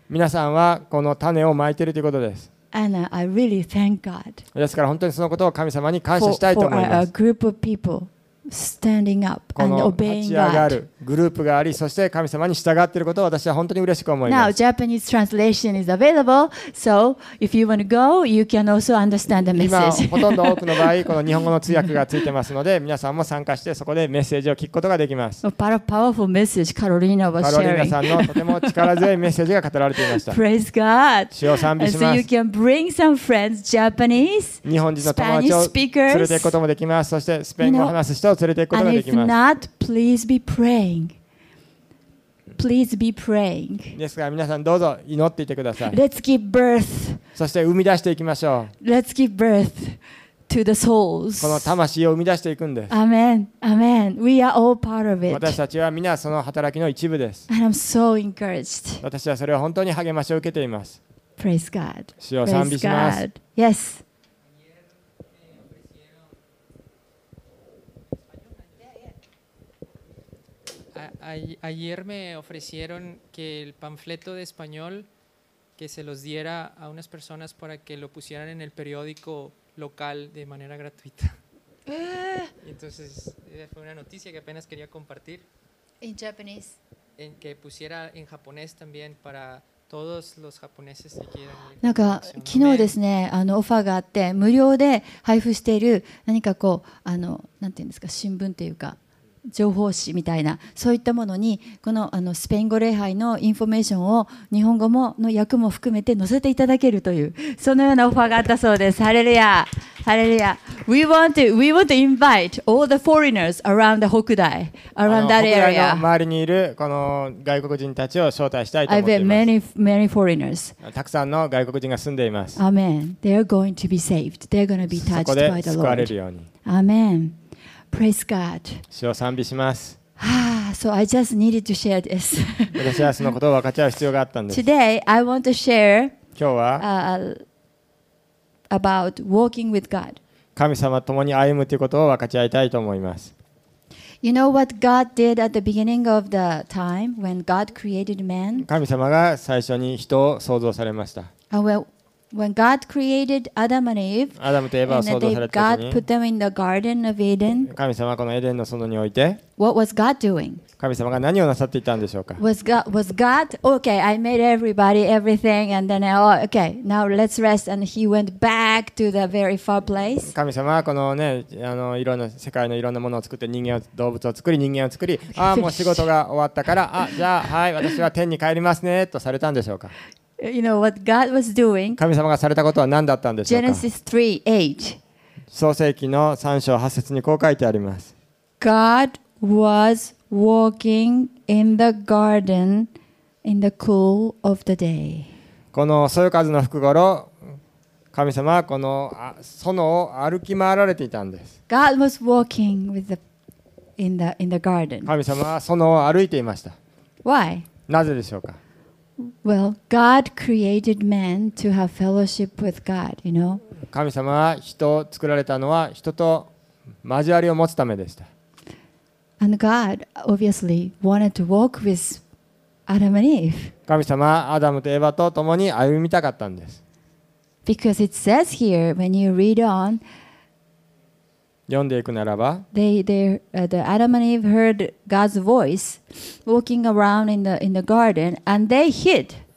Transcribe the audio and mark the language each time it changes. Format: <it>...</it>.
<ja>皆さんはこの種をまいているということです。</ja> <en>And I really thank God.</en> <ja>ですから本当にそのことを神様に感謝したいと思います。</ja> <en>for a group of peopleStanding up and obeying God.</en> <ja>この立ち上がるグループがあり、そして神様に従っていることを私は本当に嬉しく思います。</ja> <en>Now Japanese translation is available, so if you want to go, you can also understand the message.</en> <ja>今ほとんど多くの場合この日本語の通訳がついてますので、皆さんも参加してそこでメッセージを聞くことができます。</ja> <en>Powerful message, Carolina was sharing.</en> <ja>カロリーナさんのとても力強いメッセージが語られていました。</ja> <en>Praise God.</en> <ja>主を賛美します。</ja> <en>So you can bring some friends, Japanese, Spanish speakers.</en> <ja>日本人の友達を連れていくこともできます。そしてスペイン語を話す人連れていくことができます。</ja> <en>And if not, please be praying. Please be praying.</en> <ja>ですから皆さんどうぞ祈っていてください。</ja> <en>Let's give birth.</en> <ja>そして生み出していきましょう。</ja> <en>Let's give birth to the souls.</en> <ja>この魂を生み出していくんです。</ja> <en>Amen. Amen. We are all part of it.</en> <ja>私たちは皆その働きの一部です。</ja> <en>And I'm so encouraged.</en> <ja>私はそれを本当に励ましを受けています。</ja> <en>Praise God.</en> <ja>主を賛美します。</ja> <en>Praise God. Yes.</en> <es>Ayer me ofrecieron que el panfleto de español que se los diera a unas personas para que lo pusieran en el periódico local de manera gratuita. Y entonces fue una noticia que apenas quería compartir.</es> <en>In Japanese.</en> <es>En que pusiera en japonés también para todos los japoneses que quieran.</es> <ja>なんか昨日ですね、オファーがあって無料で配布している何かこうなんていうんですか、新聞というか。情報誌みたいな、そういったものにこのスペイン語礼拝のインフォメーションを日本語もの訳も含めて載せていただけるという、そのようなオファーがあったそうです。ハレルヤ、ハレルヤ。</ja> <en>We want to invite all the foreigners around the Hokudai, around that area.</en> <ja>北大の周りにいるこの外国人たちを招待したいと思っています。</ja> <en>I've met many, many foreigners.</en> <ja>たくさんの外国人が住んでいます。</ja> <en>Amen. They are going to be saved. They're going to be touched by the Lord.</en> <ja>そこで救われるように。</ja> <en>Amen. Praise God.</en> <ja>主を賛美します。</ja> <en>So I just needed to share this.</en> <ja>私はそのことを分かち合う必要があったんです。</ja> <en>Today I want to share.</en> <ja>今日は</ja> <en>about walking with God.</en> <ja>神様と共に歩むということを分かち合いたいと思います。</ja> <en>You know what God did at the beginning of the time when God created man?</en> <ja>神様が最初に人を創造されました。</ja> <en>When God created Adam and Eve,</en> <ja>アダムとエヴァを創造された時に、</ja> <en>God put them in the Garden of Eden.</en> <ja>神様はこのエデンの園において、</ja> <en>What was God doing?</en> <ja>神様が何をなさっていたんでしょうか。</ja> <en>Was God? Okay, I made everybody, everything, and then okay, now let's rest. And he went back to the very far place.</en> <ja>神様はこのね、いろんな世界のいろんなものを作って、人間を動物を作り、人間を作り、ああもう仕事が終わったから、あじゃあはい、私は天に帰りますねとされたんでしょうか。</ja> <en>You know what God was doing?</en> <ja>神様がされたことは何だったんでしょうか。</ja> <en>Genesis 3:8.</en> <ja>創世記の3章8節にこう書いてあります。</ja> <en>God was walking in the garden in the cool of the day.</en> <ja>このそよ風の吹く頃、神様はこの園を歩き回られていたんです。</ja> <en>God was walking with the in the garden.</en> <ja>神様は園を歩いていました。</ja> <en>Why?</en> <ja>なぜでしょうか。</ja> <en>Well, God created man to have fellowship with God, you know.</en> <ja>神様は人を作られたのは人と交わりを持つためでした。</ja> <en>And God obviously wanted to walk with Adam and Eve.</en> <ja>神様はアダムとエヴァと共に歩みたかったんです。</ja> <en>Because it says here, when you read on,</en> <ja>読んでいくならば、</ja> <en>the Adam and Eve heard God's voice walking around in the garden and they hid.</en>